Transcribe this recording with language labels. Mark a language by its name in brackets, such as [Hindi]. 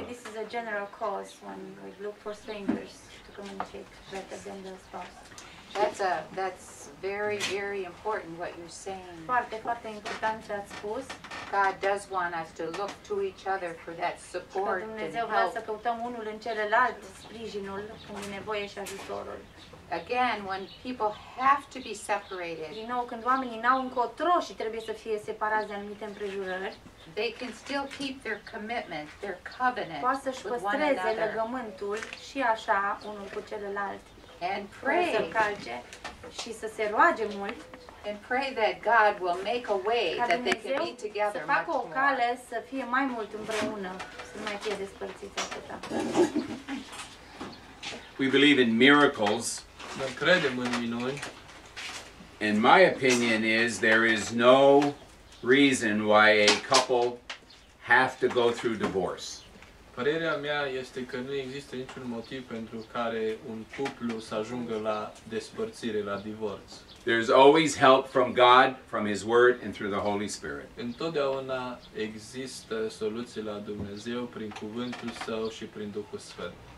[English] This is a general cause when we look for strangers to communicate better than the spouse. That's very, very important what you're saying. [Romanian] Foarte, foarte important ce ați spus. [English] God does want us to look to each other for that support and help. [Romanian] Dumnezeu vrea să căutăm unul în celălalt sprijinul când e nevoie și ajutorul. [English] Again, when people have to be separated. [Romanian] Din nou, când oamenii n-au încotro și trebuie să fie separați de anumite împrejurări. [English] They can still keep their commitment, their covenant. [Romanian] Poate să-și păstreze legământul și așa unul cu celălalt. [English] And pray [Romanian] și să se roage mult, [English] and pray that God will make a way that they can be together. [Romanian] Să facă o cale să fie mai mult împreună, să nu mai fie despărțiți atâta. [English] We believe in miracles. [Romanian] Noi credem în minuni. [English] And my opinion is there is no reason why a couple have to go through divorce. [Romanian] Părerea mea este că nu există niciun motiv pentru care un cuplu să ajungă la despărțire, la divorț. [English] There's always help from God, from His Word, and through the Holy Spirit. [Romanian] Întotdeauna există soluții la Dumnezeu prin Cuvântul Său și prin Duhul Sfânt.